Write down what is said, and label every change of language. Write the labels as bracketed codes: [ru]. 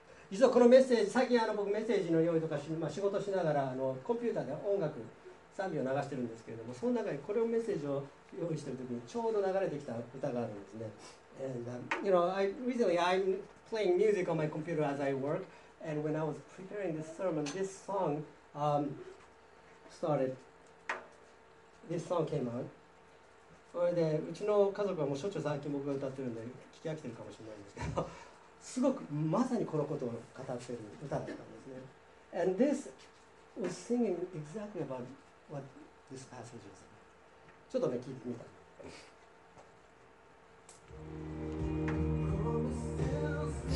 [ja] 実はこのメッセージ、最近あの僕メッセージの用意とか、まあ、仕事しながらあのコンピューターで音楽賛美を流してるんですけれども、その中にこれをメッセージを用意してる時にちょうど流れてきた歌があるんですね。 [en] And, you know, I, recently I'm playing music on my computer as I work, and when I was preparing this sermon, this song, started. This song came out. [ja] それでうちの家族はもうしょっちゅう最近僕が歌ってるんで聞き飽きてるかもしれないんですけど、すごくまさにこのことを語ってる歌だったんですね。 [en] And this was singing exactly about what this passage was. [ja] ちょっとね聞いてみた。